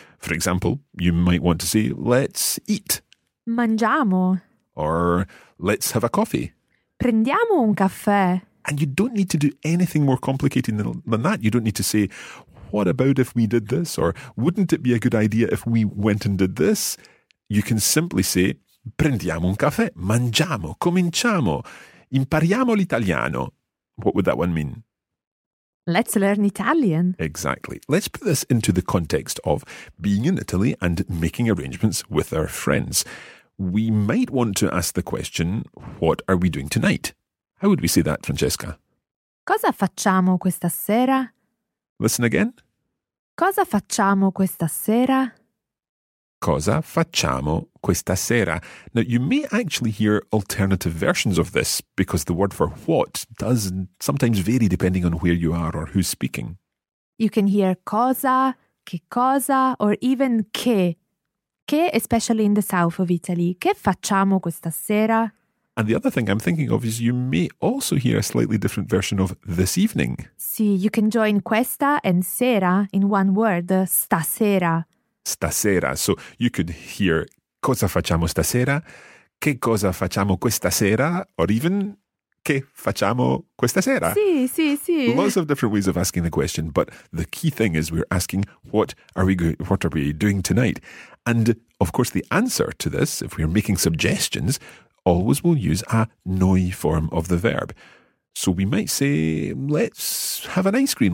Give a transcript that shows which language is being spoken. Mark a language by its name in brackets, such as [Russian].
[English] For example, you might want to say, let's eat. [Italian] Mangiamo. [English] Or let's have a coffee. [Italian] Prendiamo un caffè. [English] And you don't need to do anything more complicated than that. You don't need to say, what about if we did this? Or wouldn't it be a good idea if we went and did this? You can simply say, [Italian] prendiamo un caffè, mangiamo, cominciamo, impariamo l'italiano. [English] What would that one mean? Let's learn Italian. Exactly. Let's put this into the context of being in Italy and making arrangements with our friends. We might want to ask the question, what are we doing tonight? How would we say that, Francesca? [Italian] Cosa facciamo questa sera? Listen again. Cosa facciamo questa sera? Cosa facciamo questa sera? [English] Now, you may actually hear alternative versions of this because the word for what does sometimes vary depending on where you are or who's speaking. You can hear cosa, che cosa, or even che. Che, especially in the south of Italy. [Italian] Che facciamo questa sera? [English] And the other thing I'm thinking of is you may also hear a slightly different version of this evening. Sì, you can join questa and sera in one word, stasera. [Italian] Stasera. [English] So you could hear [Italian] cosa facciamo stasera, che cosa facciamo questa sera, [English] or even [Italian] che facciamo questa sera. Sì, sì, sì. [English] Lots of different ways of asking the question, but the key thing is we're asking what are we doing tonight? And of course, the answer to this, if we're making suggestions, always will use a noi form of the verb. So we might say, let's have an ice cream.